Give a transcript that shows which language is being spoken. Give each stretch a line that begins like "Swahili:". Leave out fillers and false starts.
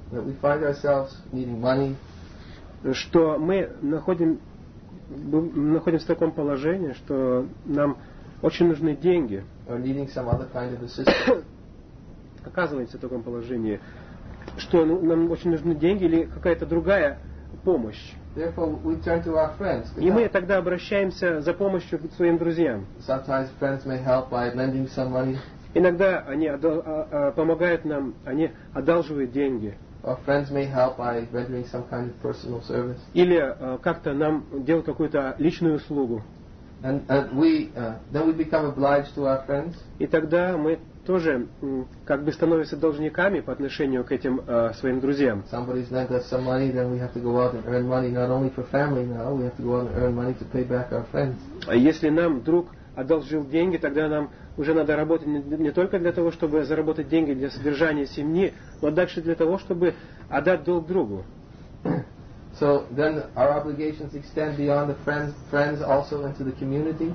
English: that we find ourselves needing money.
Russian: Что мы находимся в таком положении, что нам очень нужны деньги.
English: Or needing some other kind of assistance.
Russian: Оказывается в таком положении, что нам очень нужны деньги или какая-то другая помощь.
English: Therefore, we turn to our friends.
Russian: И мы тогда обращаемся за помощью к своим друзьям.
English: Sometimes friends may help by lending some money.
Russian: Иногда они помогают нам, они одалживают деньги.
English: Our friends may help by rendering some kind of personal service.
Russian: Или как-то нам делают какую-то личную услугу.
English: And then we become obliged to our friends.
Russian: И тогда мы тоже как бы становимся должниками по отношению к этим своим друзьям.
English: Somebody's lent us some money, then we have to go out and earn money not only for family now, we have to go out and earn money to pay back our friends.
Russian: А если нам друг одолжил деньги, тогда нам уже надо работать не только для того, чтобы заработать деньги для содержания семьи, но дальше для того, чтобы отдать долг другу.
English: So then our obligations extend beyond the friends also into the community.